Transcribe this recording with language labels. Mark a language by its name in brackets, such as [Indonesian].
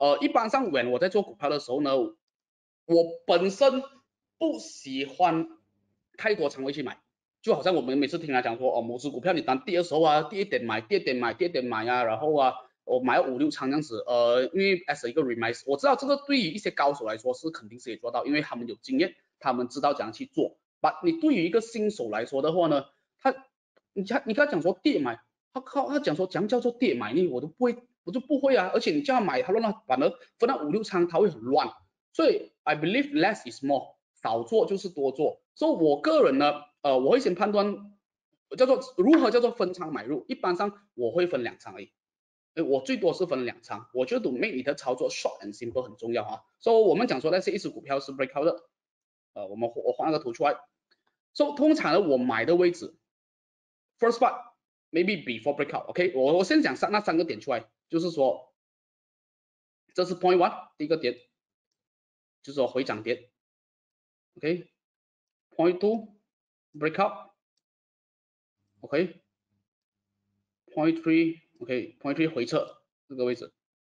[Chinese] 一般上，when 我在做股票的时候呢，我本身不喜欢太多仓位去买，就好像我们每次听他讲说，哦，某只股票你当跌的时候啊，跌一点买，跌一点买，跌一点买呀，然后我买了5、6仓这样子，因为 as 一个 remix，我知道这个对于一些高手来说是肯定是可以做到，因为他们有经验，他们知道怎样去做。 But 你对于一个新手来说的话呢，他。你跟他讲说跌买，他讲说怎样叫做跌买呢？我都不会，我就不会啊，而且你这样买它乱了，反而分到五六仓它会很乱。所以 [English] I believe less is more， [Chinese] 少做就是多做。所以我个人呢，我会先判断叫做如何叫做分仓买入。一般上我会分两仓而已，我最多是分两仓。我觉得 [English] to make [Chinese] 你的操作 [English] short and simple [Chinese] 很重要啊。所以我们讲说那些一只股票是 breakout 的，我换个图出来。所以通常呢，我买的位置 [English] first part maybe before breakout， [Chinese] OK， 我先讲那三个点出来，就是说这是 point one， 第一个点就是说回涨点， OK， [English] point two breakout， [Chinese] OK， point three， OK， point three 回撤这个位置。